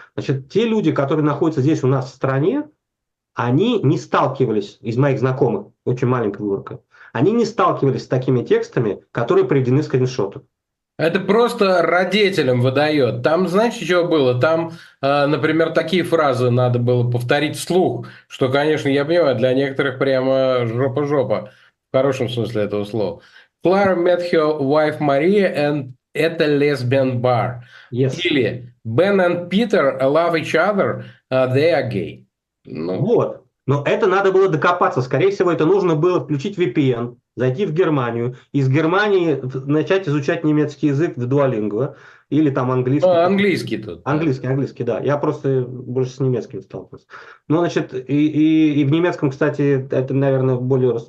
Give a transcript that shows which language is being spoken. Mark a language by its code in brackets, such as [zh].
[ru] Значит, те люди, которые находятся здесь у нас в стране, они не сталкивались, из моих знакомых, очень маленькая выборка, они не сталкивались с такими текстами, которые приведены скриншоты. Это просто родителям выдает. Там, знаете, что было? Там, например, такие фразы надо было повторить вслух, что, конечно, я понимаю, для некоторых прямо жопа-жопа, в хорошем смысле этого слова. [en] Clara met her wife Maria and at a lesbian bar. Yes. Или Ben and Peter love each other, they are gay. No. [ru] Вот. Но это надо было докопаться. Скорее всего, это нужно было включить VPN, зайти в Германию, из Германии начать изучать немецкий язык в Duolingo или там английский. Ну, английский тут. Английский, да. Я просто больше с немецким сталкивался. Ну, значит, и в немецком, кстати, это, наверное, более...